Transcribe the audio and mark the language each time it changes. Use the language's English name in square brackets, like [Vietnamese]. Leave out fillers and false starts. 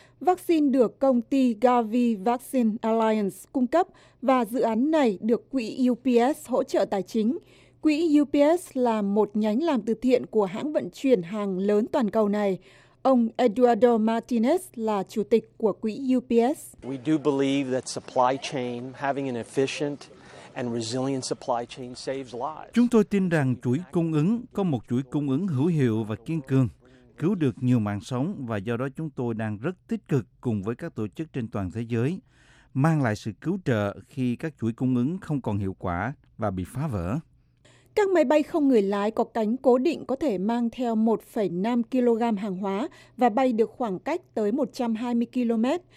[Vietnamese] Vaccine được công ty Gavi Vaccine Alliance cung cấp và dự án này được quỹ UPS hỗ trợ tài chính. Quỹ UPS là một nhánh làm từ thiện của hãng vận chuyển hàng lớn toàn cầu này. Ông Eduardo Martinez là chủ tịch của quỹ UPS. [English] We do believe that supply chain, having an efficient and resilient supply chain saves lives. [Vietnamese] Chúng tôi tin rằng chuỗi cung ứng có một chuỗi cung ứng hữu hiệu và kiên cường, cứu được nhiều mạng sống và do đó chúng tôi đang rất tích cực cùng với các tổ chức trên toàn thế giới, mang lại sự cứu trợ khi các chuỗi cung ứng không còn hiệu quả và bị phá vỡ. Các máy bay không người lái có cánh cố định có thể mang theo 1,5 kg hàng hóa và bay được khoảng cách tới 120 km.